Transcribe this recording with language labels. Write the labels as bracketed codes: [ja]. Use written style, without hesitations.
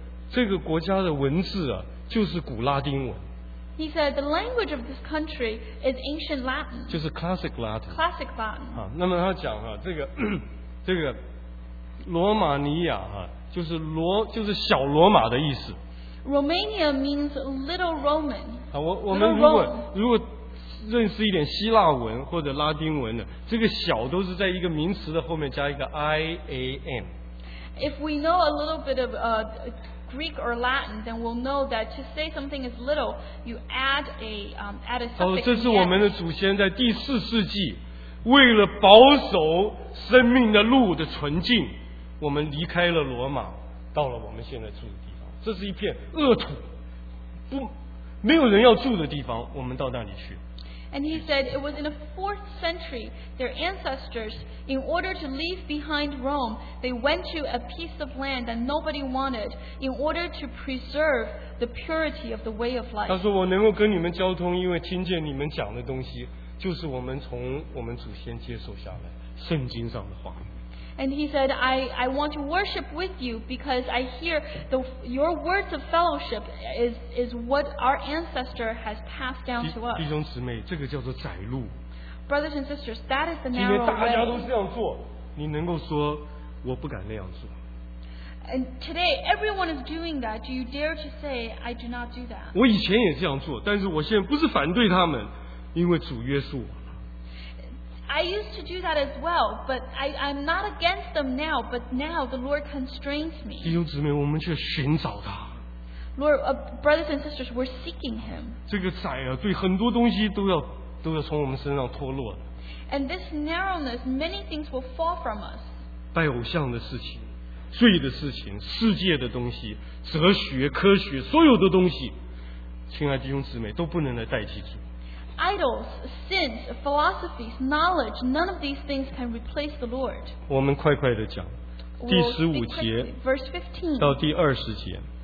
[zh] 他说这个国家的文字啊, 就是古拉丁文。 [en] He said, the language of this country is ancient Latin. 就是 classic Latin. Classic Latin. [zh] 那么他讲啊, 这个罗马尼亚啊, 就是小罗马的意思。 [en] Romania means little Roman. [zh] 我们如果 认识一点希腊文或者拉丁文的，这个小都是在一个名词的后面加一个ian。 [en] If we know a little bit of Greek or Latin, then we'll know that to say something is little, you add a suffix. [zh] 这是我们的祖先在第四世纪,为了保守生命的路的纯净，我们离开了罗马，到了我们现在住的地方。这是一片恶土，不，没有人要住的地方，我们到那里去。 [en] And he said it was in the 4th century, their ancestors, in order to leave behind Rome, they went to a piece of land that nobody wanted in order to preserve the purity of the way of life. [zh] 他说我能够跟你们交通，因为听见你们讲的东西就是我们从我们祖先接受下来圣经上的话。 [en] And he said, I want to worship with you because I hear your words of fellowship is what our ancestor has passed down to us. [zh] 弟兄姊妹，这个叫做窄路。 [en] Brothers and sisters, that is the narrow way. [zh] 今天大家都这样做，你能够说我不敢那样做。 [en] And today, everyone is doing that. Do you dare to say, I do not do that? [zh] 我以前也这样做，但是我现在不是反对他们，因为主约束我。 [en] I used to do that as well, but I'm not against them now, but now the Lord constrains me. [zh] 弟兄姊妹，我们却寻找他。 [en] Lord, brothers and sisters, we're seeking him. [zh] 这个窄啊，对很多东西都要从我们身上脱落。 [en] And this narrowness, many things will fall from us. [zh] 拜偶像的事情，罪的事情，世界的东西，哲学、科学，所有的东西，亲爱弟兄姊妹，都不能来代替主。 [en] Idols, sins, philosophies, knowledge, none of these things can replace the Lord. [zh] 我们快快地讲，第十五节到第二十节。